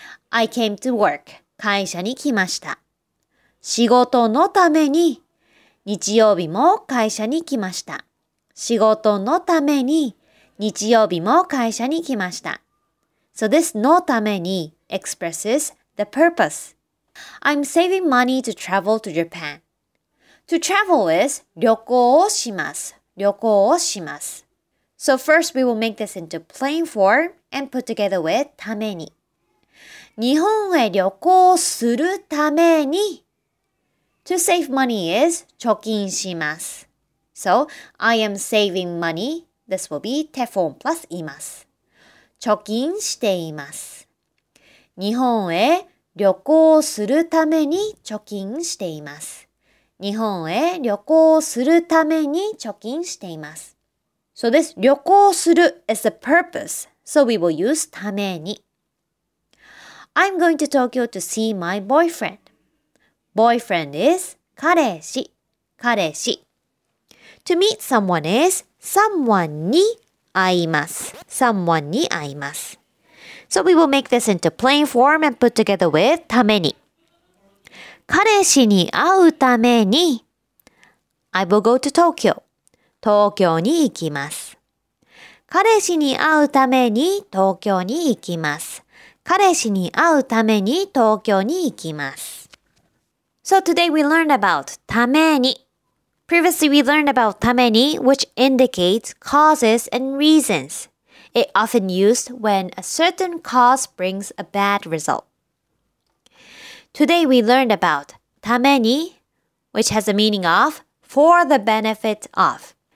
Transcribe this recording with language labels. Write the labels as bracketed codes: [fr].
[en] I came to work [ja] 会社に来ました仕事のために日曜日も会社に来ました仕事のために日曜日も会社に来ました [en] So this のために expresses the purpose. I'm saving money to travel to Japan. To travel is [ja] 旅行をします。旅行をします。 [en] So first we will make this into plain form and put together with ために。 [ja] 日本へ旅行をするために。 [en] To save money is [ja] 貯金します。 [en] So I am saving money. This will be te form plus います。 [ja] 貯金しています。日本へ旅行するために貯金しています。日本へ旅行するために貯金しています。 [en] So this 旅行する is the purpose, so we will use ために。 I'm going to Tokyo to see my boyfriend. Boyfriend is [ja] 彼氏、彼氏。 [en] To meet someone is someone [ja] に会います。 Someone に会います。 [en] So we will make this into plain form and put together with ために。 [ja] 彼氏に会うために、 [en] I will go to Tokyo. [ja] 東京に行きます。彼氏に会うために東京に行きます。彼氏に会うために東京に行きます。 [en] So today we learned about ために。 Previously we learned about ために, which indicates causes and reasons. It often used when a certain cause brings a bad result. Today we learned about ために, which has a meaning of for the benefit of.